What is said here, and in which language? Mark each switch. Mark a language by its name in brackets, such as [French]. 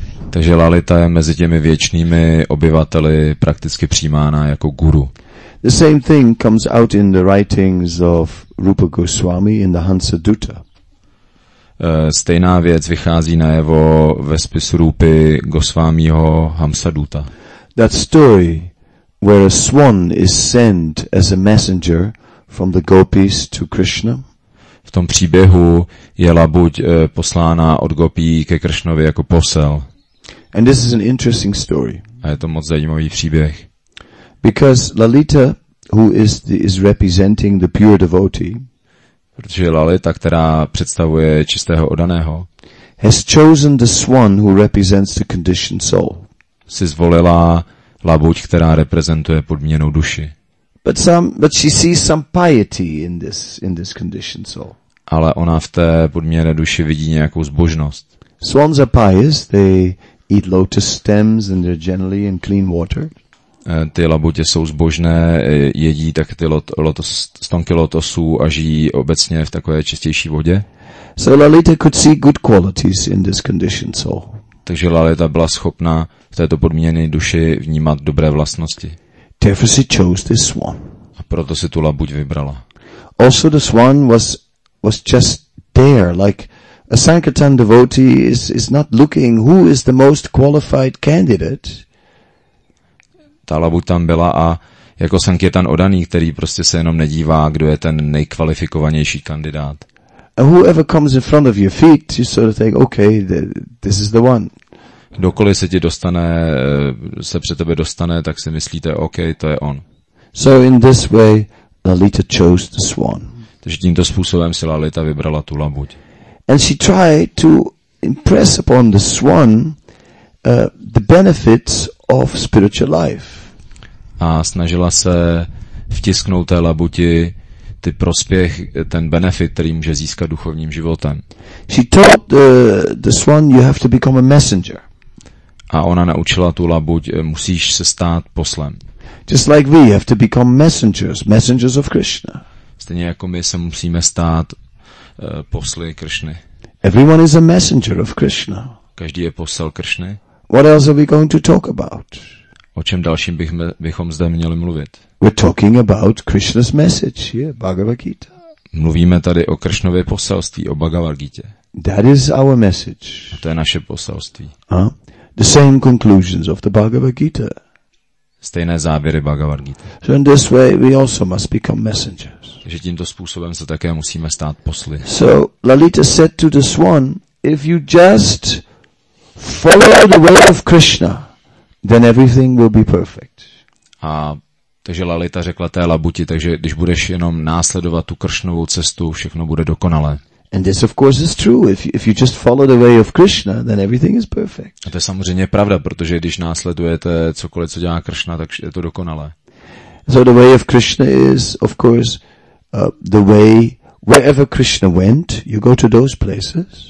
[Czech] Takže Lalita je mezi těmi věčnými obyvateli prakticky přijímána jako guru. [English] The same thing comes out in the writings of Rupa Goswami in the Hansa Dutta. [Czech] Stejná věc vychází najevo ve spisu Rupy Goswamiho Hamsa Dutta. [English] That story where a swan is sent as a messenger from the gopis to Krishna. [Czech] V tom příběhu je labuť poslána od gopí ke Krishnovi jako posel. [English] And this is an interesting story. [Czech] A je to moc zajímavý příběh. [English] Because Lalita, who is representing the pure devotee, [Czech] protože Lalita, která představuje čistého odaného, [English] has chosen the swan who represents the conditioned soul. [Czech] Si zvolila labuť, která reprezentuje podmíněnou duši. [English] But she sees some piety in this conditioned soul. [Czech] Ale ona v té podmíněné duši vidí nějakou zbožnost. [English] Swans are pious, they eat lotus stems and they're generally in clean water. [Czech] Ty labutě jsou zbožné, jedí tak ty stonky lotosů a žijí obecně v takové čistější vodě. [English] So Lalita could see good qualities in this conditioned soul. [Czech] Takže Lalita byla schopna v této podmíněné duši vnímat dobré vlastnosti. [English] Therefore she chose this swan. [Czech] A proto si tu labuť vybrala. [English] Also the swan was just there, like a sankirtan devotee is not looking who is the most qualified candidate. [Czech] Ta labuť tam byla a jako sankirtan odaný, který prostě se jenom nedívá, kdo je ten nejkvalifikovanější kandidát. [English] And whoever comes in front of your feet, you sort of think, okay, this is the one. [Czech] Kdokoliv se ti dostane, se před tebe dostane, tak si myslíte, OK, to je on. [English] So in this way, Lalita chose the swan. [Czech] Takže tímto způsobem si Lalita vybrala tu labuť. [English] And she tried to impress upon the swan the benefits of spiritual life. [Czech] A snažila se vtisknout té labuti ty prospěch, ten benefit, který může získat duchovním životem. [English] She taught the swan you have to become a messenger. [Czech] A ona naučila tu labuť, musíš se stát poslem. [English] Just like we have to become messengers of Krishna. [Czech] Stejně jako my se musíme stát posly Krishny. [English] Everyone is a messenger of Krishna. [Czech] Každý je posel Krishny. [English] What else are we going to talk about? [Czech] O čem dalším bychom zde měli mluvit? [English] We're talking about Krishna's message, Bhagavad Gita. [Czech] Mluvíme tady o Krishnově poselství, o Bhagavad Gita. [English] That is our message. [Czech] A to je naše poselství. [English] The same conclusions of the Bhagavad Gita. [Czech] Stejné závěry Bhagavad Gita. [English] So in this way we also must become messengers. [Czech] Že tímto způsobem se také musíme stát posly. [English] So Lalita said to the swan, if you just follow the way of Krishna, then everything will be perfect. [Czech] A takže Lalita řekla té labuti, takže když budeš jenom následovat tu Kršnovou cestu, všechno bude dokonalé. [English] And this of course is true. If you just follow the way of Krishna, then everything is perfect. [Czech] A to je samozřejmě pravda, protože když následujete cokoliv, co dělá Kršna, tak je to dokonalé. [English] So the way of Krishna is of course the way wherever Krishna went, you go to those places.